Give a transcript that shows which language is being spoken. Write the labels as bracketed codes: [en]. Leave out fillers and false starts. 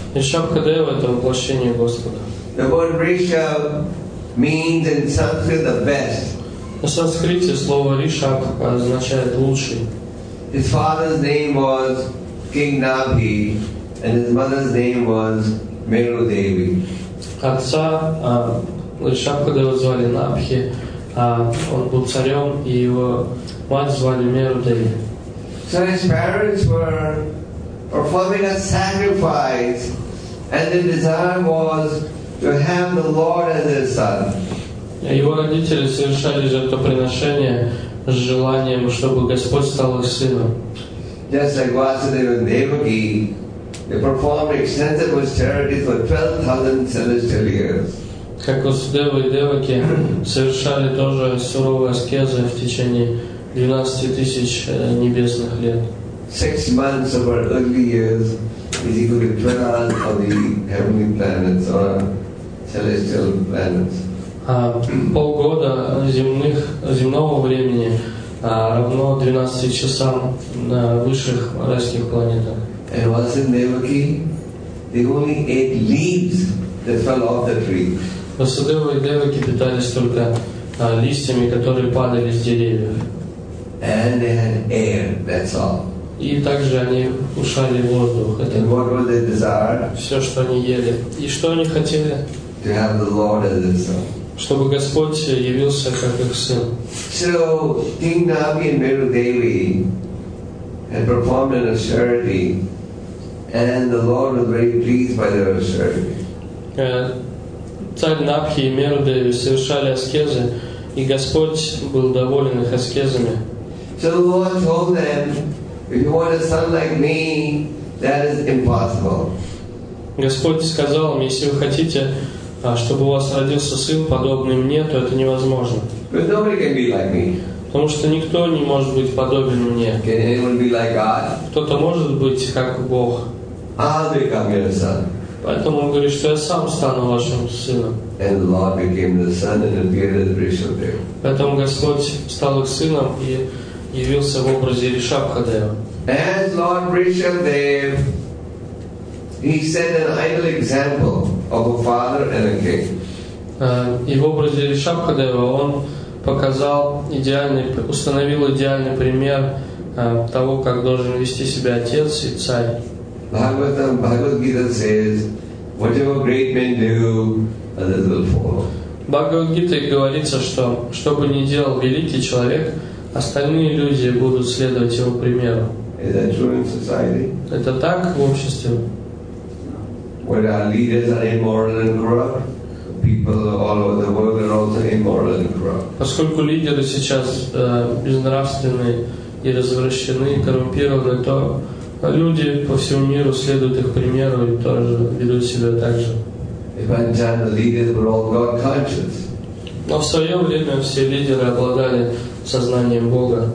[ru] Ришабхадев — это воплощение Господа. [en] The word Rishab means in Sanskrit the best. [ru] На санскрите слово Ришаб означает лучший. [en] His father's name was King Nabhi, and his mother's name was Meru Devi. [ru] Отца Ришабхадева звали Набхи. Он был царем, и его мать звали Меру Деви. [en] So his parents were performing a sacrifice, and the desire was to have the Lord as their son. [ru] Его родители совершали жертвоприношение с желанием, чтобы Господь стал их сыном. [en] Just like Vasudeva and Devaki, they performed extensive austerity for 12,000 celestial years. [ru] Как Васудева и Деваки совершали тоже суровые аскезы в течение 12 тысяч небесных лет. [en] 6 months of our early years is equal to 12 of the heavenly planets or celestial planets. [ru] Полгода земного времени равно 12 часам на высших райских планетах. [en] And Васудева и Деваки, they only ate leaves that fell off the tree. [ru] Васудева и Деваки питались только листьями, которые падали с деревьев. [en] And they had air, that's all. [ru] И также они кушали воздух. [en] And what were their desire? [ru] Все, что они ели. И что они хотели? [en] To have the Lord as their son. [ru] Чтобы Господь явился как их сын. [en] So King Nabhi and Meru Devi had performed an austerity, and the Lord was very pleased by their austerity. [ru] Царь Набхи и Меру Деви совершали аскезы, и Господь был доволен их аскезами. [en] So the Lord told them, if you want a son like me, that is impossible. [ru] Господь сказал им, если вы хотите, чтобы у вас родился сын подобный мне, то это невозможно. [en] But nobody can be like me. [ru] Потому что никто не может быть подобен мне. [en] Can anyone be like God? [ru] Кто-то может быть как Бог. [en] I'll become your son. [ru] Поэтому он говорит, что я сам стану вашим сыном. [en] And the Lord became the son and appeared as Rishabhadeva. [ru] Поэтому Господь стал их сыном и явился в образе Ришабхадева. [en] As Lord Rishabhadev, he set an ideal example of a father and a king. [ru] И в образе Ришабхадева он показал установил идеальный пример того, как должен вести себя отец и царь. [en] Bhagavatam, Bhagavad Gita says, whatever great men do, others will follow. [ru] Bhagavad Gita говорится, что что бы ни делал великий человек, остальные люди будут следовать его примеру. [en] Is that true in society? [ru] Это так в обществе? [en] where our leaders are immoral and corrupt, people all over the world are also immoral and corrupt. [ru] Поскольку лидеры сейчас безнравственные и развращены, коррумпированы, то люди по всему миру следуют их примеру и тоже ведут себя так же. [en] Evangelical leaders were all God conscious. [ru] Но в свое время все лидеры обладали сознанием Бога.